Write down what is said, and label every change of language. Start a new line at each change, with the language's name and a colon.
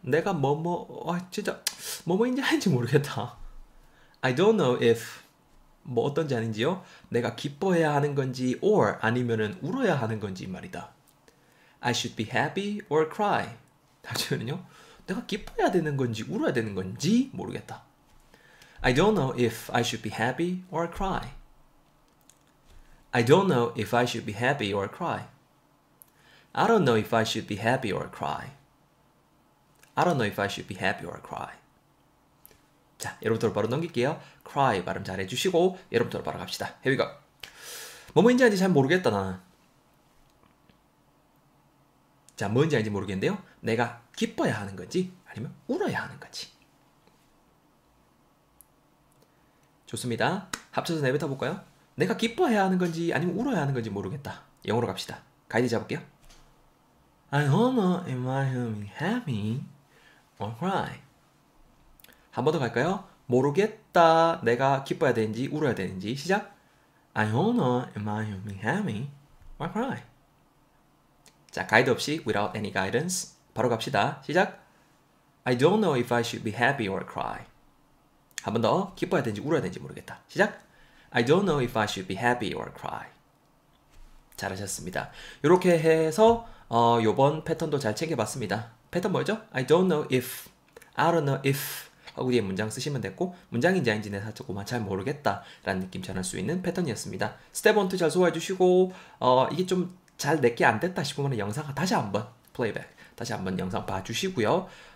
Korean: 내가 진짜 뭐뭐인지 아닌지 모르겠다.
English: I don't know if
Korean: 뭐 어떤지 아닌지요. 내가 기뻐해야 하는 건지 or 아니면은 울어야 하는 건지 말이다.
English: I should be happy or cry.
Korean: 다시는요. 내가 기뻐야 되는 건지 울어야 되는 건지 모르겠다.
English: I don't know if I should be happy or cry. I don't know if I should be happy or cry. I don't know if I should be happy or cry. I don't know if I should be happy or cry.
Korean: 자, 여러분들 바로 넘길게요. cry 발음 잘 해주시고 여러분들 바로 갑시다.
English: Here we go.
Korean: 뭔지 아닌지 잘 모르겠다, 나는. 자, 뭔지 아닌지 모르겠는데요. 내가 기뻐야 하는 건지 아니면 울어야 하는 건지. 좋습니다. 합쳐서 내뱉어 볼까요? 내가 기뻐해야 하는 건지 아니면 울어야 하는 건지 모르겠다. 영어로 갑시다. 가이드 잡을게요.
English: I don't know if I'm happy or cry.
Korean: 한 번 더 갈까요? 모르겠다. 내가 기뻐야 되는지 울어야 되는지. 시작.
English: I don't know if I'm happy or cry.
Korean: 자, 가이드 없이
English: without any guidance.
Korean: 바로 갑시다. 시작.
English: I don't know if I should be happy or cry.
Korean: 한 번 더. 기뻐야 되는지 울어야 되는지 모르겠다. 시작.
English: I don't know if I should be happy or cry.
Korean: 잘하셨습니다. 이렇게 해서 요번 패턴도 잘 챙겨봤습니다. 패턴 뭐죠?
English: I don't know if. I don't know if.
Korean: 하고 뒤에 문장 쓰시면 됐고 문장인지 아닌지 내가 조금만 잘 모르겠다 라는 느낌 전할 수 있는 패턴이었습니다. 스텝 1, 2 잘 소화해 주시고 이게 좀 잘 내 게 안 됐다 싶으면 영상 다시 한번 플레이백 다시 한번 영상 봐주시고요.